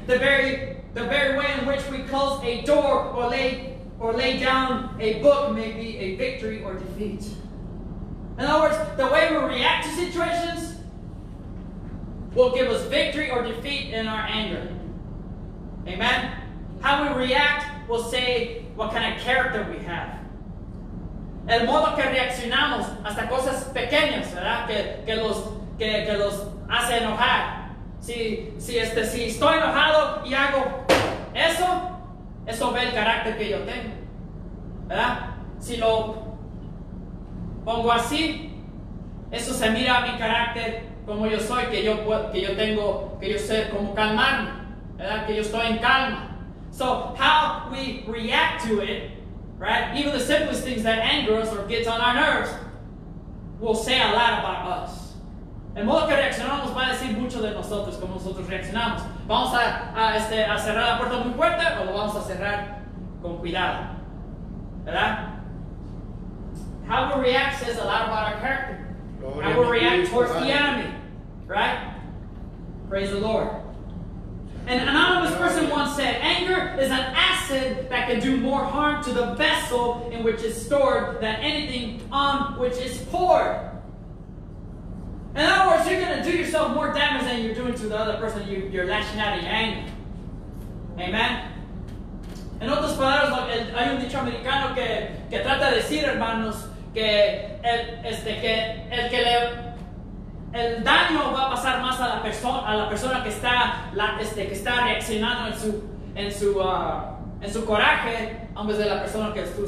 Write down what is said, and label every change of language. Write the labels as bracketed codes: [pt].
[en] The very way in which we close a door or lay down a book may be a victory or defeat. In other words, the way we react to situations will give us victory or defeat in our anger. Amen? How we react will say what kind of character we have. [es] El modo que reaccionamos hasta cosas pequeñas, ¿verdad? Que los hace enojar. Si estoy enojado y hago eso, eso ve el carácter que yo tengo. ¿Verdad? Si lo pongo así, eso se mira a mi carácter, como yo soy, que yo sé cómo calmarme, ¿verdad? Que yo estoy en calma. [en] So how we react to it, right? Even the simplest things that anger us or gets on our nerves will say a lot about us. [es] El modo que reaccionamos va a decir mucho de nosotros, como nosotros reaccionamos. ¿Vamos a cerrar la puerta muy fuerte o lo vamos a cerrar con cuidado? ¿Verdad? [en] How we react says a lot about our character. Gloria, how we react towards the enemy. Right? Praise the Lord. An anonymous person once said, anger is an acid that can do more harm to the vessel in which it's stored than anything on which it's poured. In other words, you're going to do yourself more damage than you're doing to the other person you're lashing out of your anger. Amen? [es] En otras palabras, hay un dicho americano que trata de decir, hermanos, que el daño va a pasar más a la persona que está reaccionando en su coraje, en vez de la persona que